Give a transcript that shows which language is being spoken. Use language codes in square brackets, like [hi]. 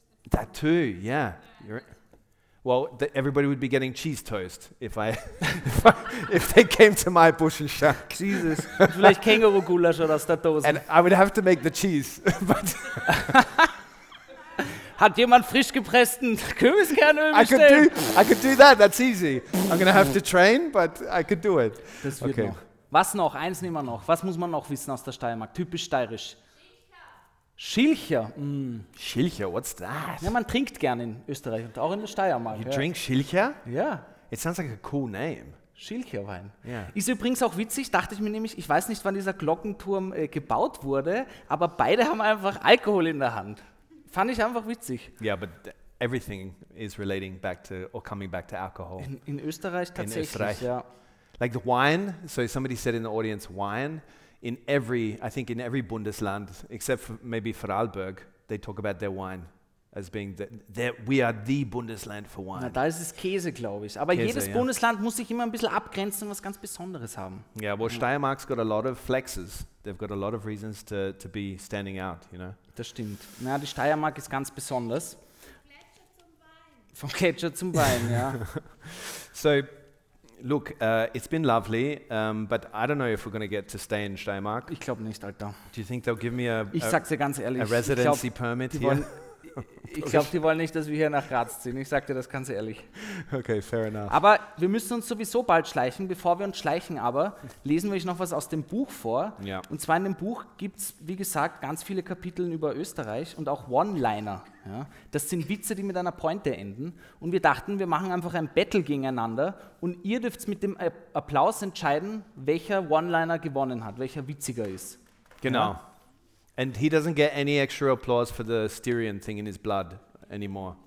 [en] That too, yeah. Well, everybody would be getting cheese toast if they came to my Buschenschank. [de] Jesus, vielleicht Känguru Gulasch oder Statosen. [en] And I would have to make the cheese. But [de] hat jemand frisch gepressten Kürbiskernöl bestellt? [en] I could do that. That's easy. I'm gonna have to train, but I could do it. [de] Das wird okay. Noch. Was noch? Eins nehmen wir noch. Was muss man noch wissen aus der Steiermark? Typisch steirisch. Schilcher. Mm. Schilcher, what's that? Ja, man trinkt gerne in Österreich und auch in der Steiermark. [en] You drink Schilcher? [de] Ja. [en] It sounds like a cool name. Schilcherwein. Yeah. [de] Ist übrigens auch witzig, dachte ich mir nämlich, ich weiß nicht, wann dieser Glockenturm gebaut wurde, aber beide haben einfach Alkohol in der Hand. Fand ich einfach witzig. [en] Ja, yeah, but everything is relating back to or coming back to alcohol. [de] In Österreich tatsächlich, in Österreich. Ja. [en] Like the wine, so somebody said in the audience, wine, in every, I think in every Bundesland, except for maybe Vorarlberg, they talk about their wine as being that we are the Bundesland for wine. [de] Na, da ist es Käse, glaube ich. Aber Käse, jedes Bundesland muss sich immer ein bisschen abgrenzen und was ganz Besonderes haben. [en] Yeah, well, Steiermark's got a lot of flexes. They've got a lot of reasons to be standing out, you know. [de] Das stimmt. Na, die Steiermark ist ganz besonders. Vom Gletscher zum Wein, ja. [en] So, look, it's been lovely, but I don't know if we're going to get to stay in Steiermark. [de] Ich glaube nicht, Alter. [en] Do you think they'll give me a residency permit here? [de] Ich glaube, die wollen nicht, dass wir hier nach Graz ziehen. Ich sage dir das ganz ehrlich. Okay, fair enough. Aber wir müssen uns sowieso bald schleichen. Bevor wir uns schleichen aber, lesen wir euch noch was aus dem Buch vor. Ja. Und zwar in dem Buch gibt es, wie gesagt, ganz viele Kapitel über Österreich und auch One-Liner. Ja? Das sind Witze, die mit einer Pointe enden. Und wir dachten, wir machen einfach ein Battle gegeneinander und ihr dürft mit dem Applaus entscheiden, welcher One-Liner gewonnen hat, welcher witziger ist. Genau. Ja? [en] And he doesn't get any extra applause for the Styrian thing in his blood anymore.